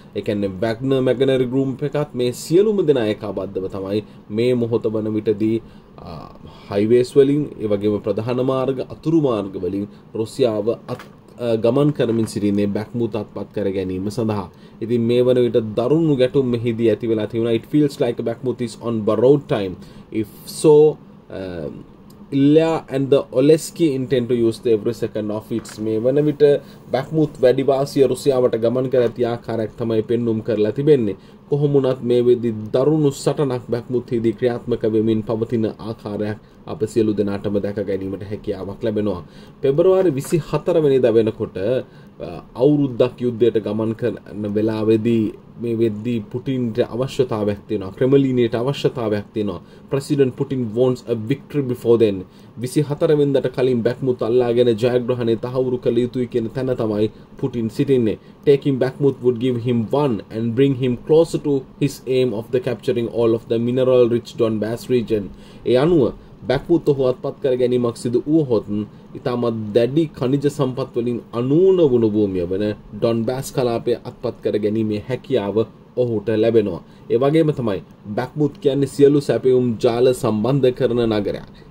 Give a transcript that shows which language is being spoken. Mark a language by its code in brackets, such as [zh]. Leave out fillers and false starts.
[si] ඒ කියන්නේ වැග්නර් මැගනරි ගෲප් එකත් මේ සියලුම දෙනා ඒකාබද්ධව තමයි මේ මොහොත වන විටදී හයිවේස් වලින් ඒ වගේම ප්‍රධාන මාර්ග අතුරු මාර්ග වලින් රුසියාව ගමන් කරමින් සිටින්නේ බැක්මුත් අත්පත් කර ගැනීම සඳහා. ඉතින් මේ වන විට දරුණු ගැටුම් මෙහිදී ඇති වෙලා තියෙනවා. [en] It feels like Bakhmut is on borrowed time. If so, Ilya and the Oleski intend to use every second of its. [si] මේ වන විට බැක්මුත් වැඩි වාසිය රුසියාවට ගමන් කර ඇති ආකාරයක් තමයි පෙන්눔 කරලා තිබෙන්නේ. කොහොම වුණත් මේ වෙද්දි දරුණු සටනක් බැක්මුත් හිදී ක්‍රියාත්මක වෙමින් පවතින ආකාරයක් අප සියලු දෙනාටම දැක ගැනීමට හැකියාවක් ලැබෙනවා. පෙබරවාරි 24 වෙනිදා වෙනකොට අවුරුද්දක් යුද්ධයට ගමන් කරන වෙලාවේදී මේ වෙද්දි පුටින්ට අවශ්‍යතාවයක් තියෙනවා. ක්‍රෙම්ලිනයට අවශ්‍යතාවයක් තියෙනවා. [en] President Putin wants a victory before then. [si] 24 වෙනිදාට කලින් බැක්මුත් අල්ලාගෙන ජයග්‍රහණය තහවුරු කළ යුතුයි කියන තැන තමයි පුටින් සිටින්නේ. [en] Taking Bakhmut would give him one and bring him closer to his aim of the capturing all of the mineral rich Donbass region. [si] ඒ අනුව බැක්වූත් ඔහු අත්පත් කර ගැනීමක් සිදු වුවහොත් ඉතාමත් දැඩි කනිජ සම්පත්වලින් අනූන වුණු භූමිය වන ඩොන්බාස් කලාපය අත්පත් කර ගැනීමේ හැකියාව ඔහුට ලැබෙනවා. ඒ වගේම තමයි බැක්වූත් කියන්නේ සියලු සැපයුම් ජාල සම්බන්ධ කරන නගරයක්.